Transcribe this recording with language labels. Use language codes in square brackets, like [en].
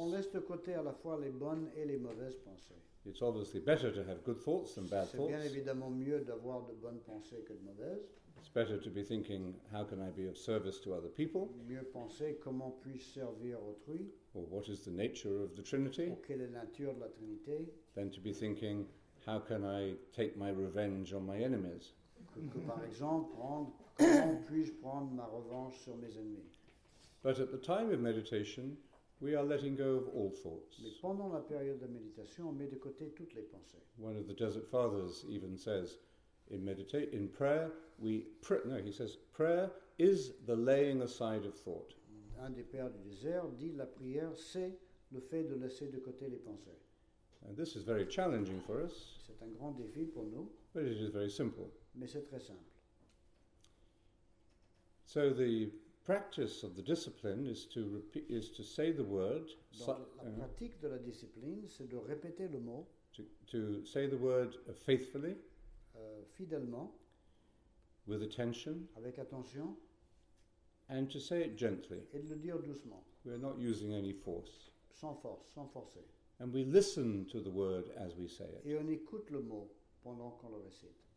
[fr] On laisse de côté à la fois les bonnes et les mauvaises pensées. [en] It's obviously better to have good thoughts than bad thoughts. [fr] C'est bien évidemment mieux d'avoir de bonnes pensées que de mauvaises. [en] It's better to be thinking, how can I be of service to other people? [fr] Mieux penser, comment puis-je servir autrui? [en] Or what is the nature of the Trinity? [fr] Ou quelle est la nature de la Trinité? [en] Than to be thinking, how can I take my revenge on my enemies? [fr] Que par exemple, prendre, comment puis-je prendre ma revanche sur mes ennemis? [en] But at the time of meditation, we are letting go of all thoughts. [fr] Mais pendant la période de méditation, on met de côté toutes les pensées. [en] One of the Desert Fathers even says, prayer is the laying aside of thought. [fr] Un des pères du désert dit la prière c'est le fait de laisser de côté les pensées. [en] And this is very challenging for us. [fr] C'est un grand défi pour nous. [en] But it is very simple. [fr] Mais c'est très simple. [en] So the practice of the discipline is to repeat, is to say the word. [fr] Donc, la pratique de la discipline, c'est de répéter le mot. [en] To say the word faithfully. [fr] Fidèlement. [en] With attention. [fr] Avec attention. [en] And to say it gently. [fr] Et de le dire doucement. [en] We are not using any force. [fr] Sans force, sans forcer. [en] And we listen to the word as we say it. [fr] Et on écoute le mot pendant qu'on le récite.